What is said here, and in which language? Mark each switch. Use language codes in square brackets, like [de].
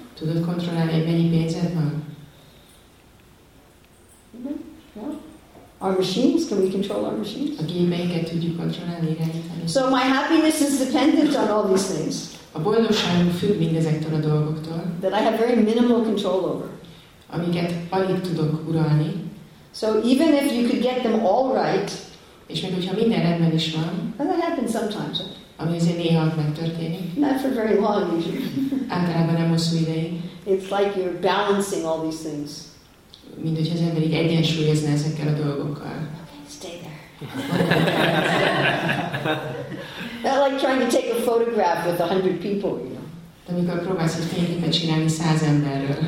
[hu] Tudod kontrollálni, hogy mennyi pénzed van? [en] Our machines, can we control our machines? [hu] A gépeinket tudjuk kontrollálni, irányítani. [en] So my happiness is dependent on all these things. [hu] A boldogságom függ mindezektől a dolgoktól. [en] That I have very minimal control over. [hu] Amiket alig tudok uralni. [en] So even if you could get them all right. [hu] És még hogyha minden rendben is van. [en] Well, that happens sometimes. [hu] Ami azért néha megtörténik. [en] Not for very long usually. [hu] Általában nem hosszú ideig. [en] It's like you're balancing all these things. [hu] Mint hogyha az ember egyensúlyozna ezekkel a dolgokkal. [en] Okay, stay there. Not like trying to take a photograph with 100 people, you know. [hu] Amikor próbálsz egy fényképet csinálni 100 emberről.